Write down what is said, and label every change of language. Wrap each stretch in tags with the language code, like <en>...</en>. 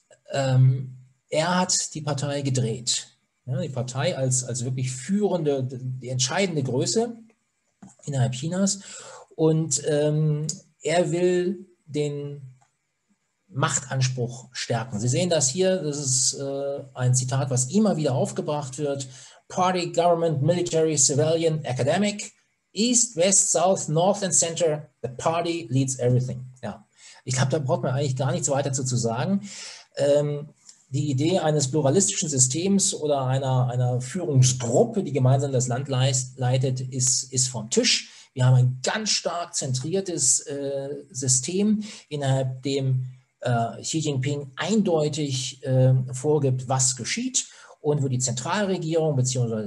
<de>Er hat die Partei gedreht. Ja, die Partei als wirklich führende, die entscheidende Größe innerhalb Chinas. Und er will den Machtanspruch stärken. Sie sehen das hier, das ist ein Zitat, was immer wieder aufgebracht wird.</de> <en>Party, Government, Military, Civilian, Academic, East, West, South, North and Center, the party leads everything.</en> <de>Ja. Ich glaube, da braucht man eigentlich gar nichts weiter zu sagen. Die Idee eines pluralistischen Systems oder einer Führungsgruppe, die gemeinsam das Land leitet, ist vom Tisch. Wir haben ein ganz stark zentriertes System, innerhalb dem Xi Jinping eindeutig vorgibt, was geschieht und wo die Zentralregierung bzw.</de>